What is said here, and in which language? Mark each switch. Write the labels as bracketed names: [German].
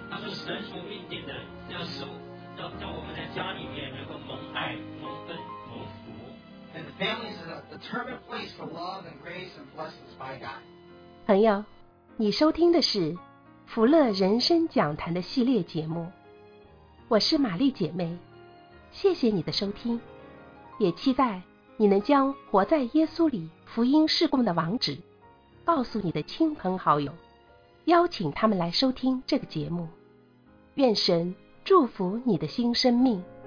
[Chinese] 他说神所命定的要收, 让我们在家里面能够蒙爱、蒙恩、蒙福。And [English] the family is a determined place for love and grace and blessings by God. [Chinese] 朋友，你收听的是福乐人生讲坛的系列节目，我是玛丽姐妹，谢谢你的收听，也期待你能将活在耶稣里福音事工的网址告诉你的亲朋好友，邀请他们来收听这个节目。愿神祝福你的新生命。